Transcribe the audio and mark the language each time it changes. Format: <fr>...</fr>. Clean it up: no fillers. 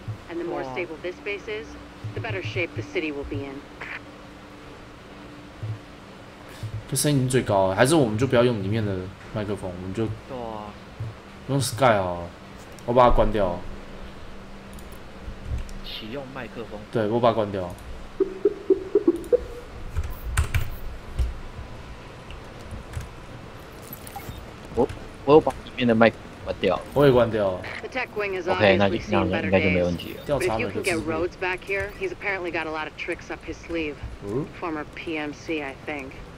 <en>And the more stable this base is, the better shape the city will be in.</en> <zh>这声音最高，还是我们就不要用里面的麦克风，我们就用 Sky 哦，我把它关掉。启用麦克风。对，我把它关掉。我有把里面的麦克风关掉。我也关掉。 OK， 那就应该就没问题了。调查的结果。</zh> <en>But if you can get Rhodes back here, he's</en>